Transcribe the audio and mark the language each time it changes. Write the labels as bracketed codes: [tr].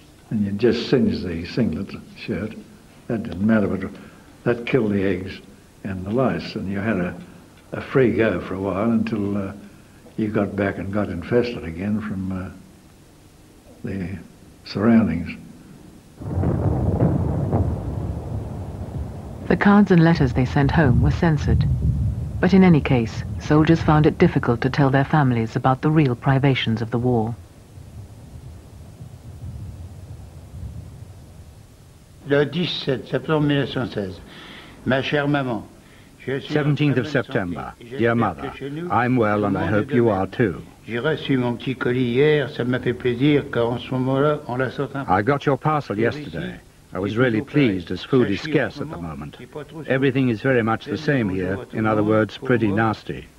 [en] And you'd just singe the singlet shirt. That didn't matter, but that killed the eggs and the lice, and you had a free go for a while until you got back and got infested again from the surroundings. The cards and letters they sent home were censored. But in any case, soldiers found it difficult to tell their families about the real privations of the war. [fr] Le 17 septembre 1916, ma chère maman, [en] 17th of September. Dear mother, I'm well and I hope you are too. I got your parcel yesterday. I was really pleased as food is scarce at the moment. Everything is very much the same here, in other words, pretty nasty.